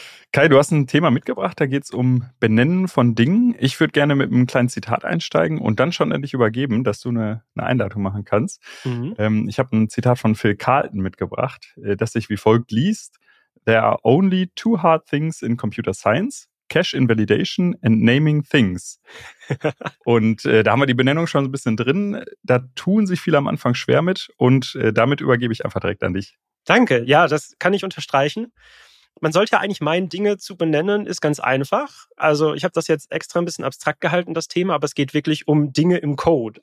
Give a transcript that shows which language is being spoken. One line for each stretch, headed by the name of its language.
German: Kai, du hast ein Thema mitgebracht. Da geht es um Benennen von Dingen. Ich würde gerne mit einem kleinen Zitat einsteigen und dann schon endlich übergeben, dass du eine Einleitung machen kannst. Mhm. Ich habe ein Zitat von Phil Carlton mitgebracht, das sich wie folgt liest.
English: There are only two hard things in computer science, cash invalidation and naming things.
German: Und da haben wir die Benennung schon ein bisschen drin. Da tun sich viele am Anfang schwer mit und damit übergebe ich einfach direkt an dich. Danke, ja, das kann ich unterstreichen. Man sollte ja eigentlich meinen, Dinge zu benennen, ist ganz einfach. Also ich habe das jetzt extra ein bisschen abstrakt gehalten, das Thema, aber es geht wirklich um Dinge im Code.